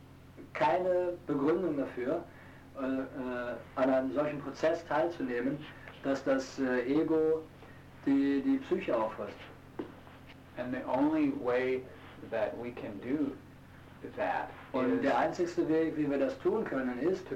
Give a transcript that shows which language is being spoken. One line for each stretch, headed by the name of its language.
German: Es gibt keine Begründung dafür, an einem solchen Prozess teilzunehmen, dass das Ego die Psyche auffrisst.
English: And the only way that we can do that.
German: Und der einzigste Weg, wie wir das tun können, ist,